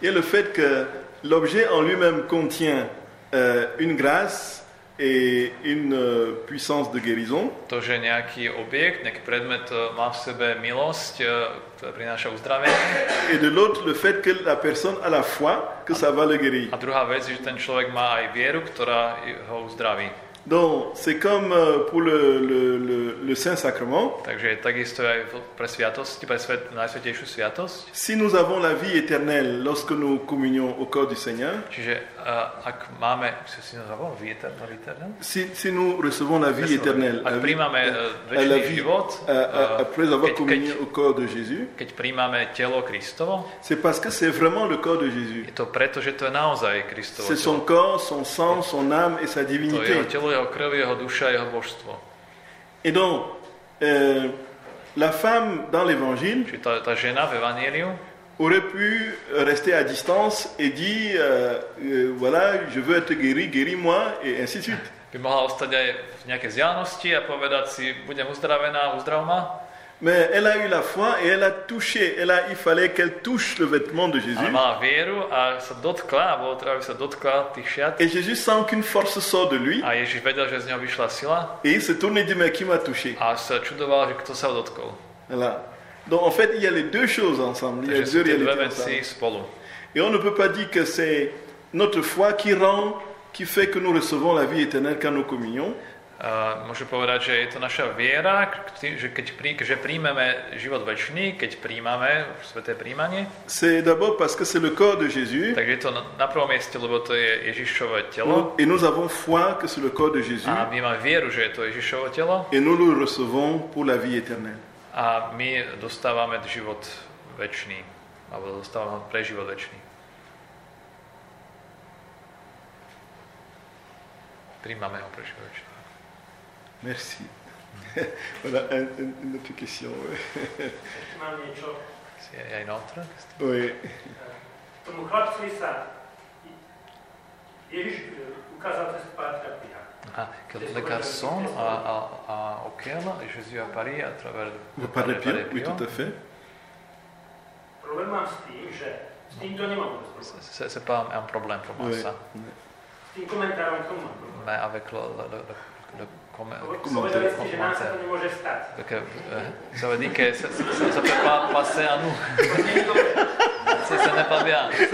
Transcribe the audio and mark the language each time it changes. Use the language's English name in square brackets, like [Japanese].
[French] Il y a le fait que l'objet en lui-même contient une grâce et une puissance de guérison. [Slovak] To, že nějaký objekt, nějaký predmet má v sebe milosť, ktorá prináša uzdravenie. [French] Et de l'autre, le fait que la personne a la foi, que ça va le guérir. [Slovak] A druhá vec je, že ten človek má aj vieru, ktorá ho uzdraví. [French] Donc, c'est comme pour le Saint-Sacrement. [Slovak] Takže takisto aj pre sviatosti, pre najsvätejšiu sviatosť. [French] Si nous avons la vie éternelle lorsque nous communions au corps du Seigneur. [Slovak] Čiže ak máme, [French] si nous avons la vie éternelle. Si nous recevons la vie éternelle. [Slovak] Ak príjmame večný život. [French] Après avoir communié au corps de Jésus. [Slovak] Keď príjmame telo Kristovo. [French] C'est parce que c'est vraiment le corps de Jésus. [Slovak] Je to preto, že to je naozaj Kristovo telo. [French] C'est son corps, son sang, son âme et sa divinité. [Slovak] Jeho krv, jeho duša, jeho božstvo. [French] Et donc, la femme dans l'évangile, [Slovak] čiže ta žena v evanjeliu, [French] aurait pu rester à distance et dit voilà, je veux être guéri, guéris-moi et ainsi de suite. [Slovak] By mohla ostať aj v nejakej vzdialenosti a povedať si, budem uzdravená, uzdrav ma. [French] Mais elle a eu la foi et elle a touché. Elle a, il fallait qu'elle touche le vêtement de Jésus. [Slovak] Ale mala vieru a sa dotkla, bolo treba, aby sa dotkla tých šiat. [French] Et Jésus sent qu'une force sort de lui. [Slovak] A Ježiš vedel, že z neho vyšla sila. [French] Et il se tourne et dit, mais qui m'a touché? [Slovak] A sa čudoval, že kto sa ho dotkol. [French] Voilà. Donc en fait, il y a les deux choses ensemble. Il y a deux réalités ensemble. [Slovak] Spolu. [French] Et on ne peut pas dire que c'est notre foi qui rend, qui fait que nous recevons la vie éternelle quand nous communions. [Slovak] Môžem povedať, že je to naša viera, že príjmeme život večný, keď príjmame sväté príjmanie. [French] C'est d'abord parce que c'est le corps de Jésus. [Slovak] Takže je to na prvom mieste, lebo to je Ježišovo telo. [French] Et nous avons foi que c'est le corps de Jésus. [Slovak] A my máme vieru, že je to Ježišovo telo. [French] Et nous le recevons pour la vie éternelle. [Slovak] A my dostávame život večný, alebo dostávame pre život večný. Príjmame ho pre život večný. [French] Merci. Voilà une autre question. Il y a une autre question. Oui. [Slovak] Tomu chlapci sa Ježiš ukázal cez pátra Pia. [French] Ah, le garçon a auquel Jésus apparaît à travers le pátra Pia. Oui, tout à fait. [Slovak] Problém mám s tým, že s týmto nemám problém. [French] C'est pas un problème pour moi, ça. [Slovak] S tým komentárom k tomu mám problém. [French] Avec le Comment ça ne peut pas passer à nous. Ça n'est pas bien.